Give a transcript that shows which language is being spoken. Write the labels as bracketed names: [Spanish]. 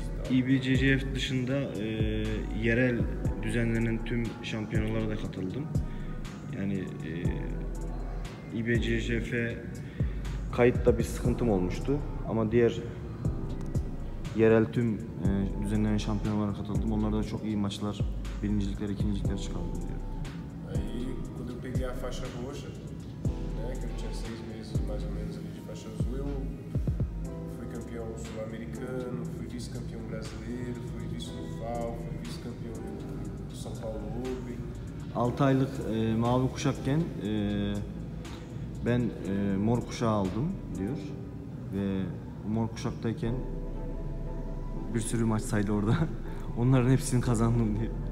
[Turkish] IBJJF dışında yerel düzenlenen tüm şampiyonalara da katıldım. Yani IBJJF'e kayıtta bir sıkıntım olmuştu ama diğer yerel tüm düzenlenen şampiyonalara katıldım. Onlarda çok iyi maçlar, birincilikler, ikincilikler çıkardım diyor. [Portuguese] Aí quando eu peguei a faixa roxa, né, que eu tinha 6 meses mais ou menos ali de faixa azul, eu fui campeão sul-americano, fui vice-campeão brasileiro, fui vice-UFAL, fui vice-campeão do São Paulo Open. [Turkish] 6 aylık mavi kuşakken ben mor kuşağı aldım diyor. Ve mor kuşaktayken bir sürü maç saydı orada. Onların hepsini kazandım diye.